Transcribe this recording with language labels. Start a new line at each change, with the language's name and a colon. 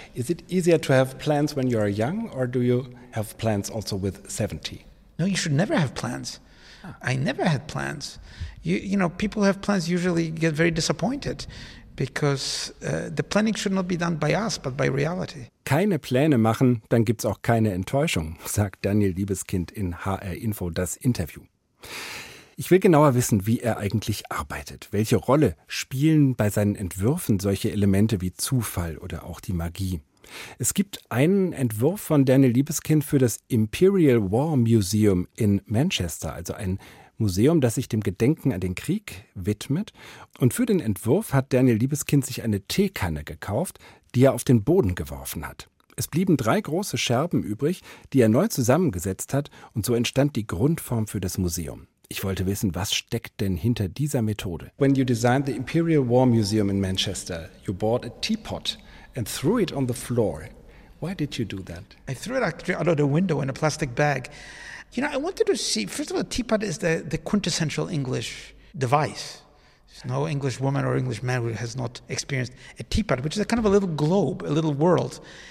English: Is it easier to have plans when you are young, or do you have plans also with 70? No, you should never have plans. I never had plans. You know, people who have plans usually get very disappointed because the planning should not be done by us, but by reality.
German: Keine Pläne machen, dann gibt's auch keine Enttäuschung, sagt Daniel Liebeskind in HR Info das Interview. Ich will genauer wissen, wie er eigentlich arbeitet. Welche Rolle spielen bei seinen Entwürfen solche Elemente wie Zufall oder auch die Magie? Es gibt einen Entwurf von Daniel Liebeskind für das Imperial War Museum in Manchester, also ein Museum, das sich dem Gedenken an den Krieg widmet. Und für den Entwurf hat Daniel Liebeskind sich eine Teekanne gekauft, die er auf den Boden geworfen hat. Es blieben drei große Scherben übrig, die er neu zusammengesetzt hat, und so entstand die Grundform für das Museum. Ich wollte wissen, was steckt denn hinter dieser Methode?
English: When you designed the Imperial War Museum in Manchester, you bought a teapot and threw it on the floor. Why did you do that? I threw it actually out of the window in a plastic bag. You know, I wanted to see, first of all, a teapot is the quintessential English device. There's no English woman or English man who has not experienced a teapot, which is a kind of a little globe, a little world.